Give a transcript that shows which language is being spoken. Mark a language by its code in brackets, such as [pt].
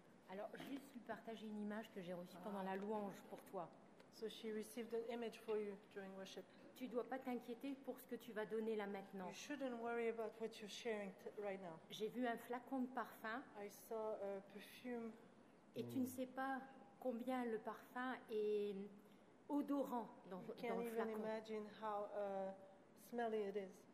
[fr] Alors, juste lui partager une image que j'ai reçue pendant la louange pour toi. [en] So she received an image for you during worship. [fr] Tu dois pas t'inquiéter pour ce que tu vas donner là maintenant. [en] You shouldn't worry about what you're sharing right now. [fr] J'ai vu un flacon de parfum. [en] I saw a perfume. [fr] Et tu ne sais pas combien le parfum est odorant dans le flacon. [en] You can't even imagine how smelly it is.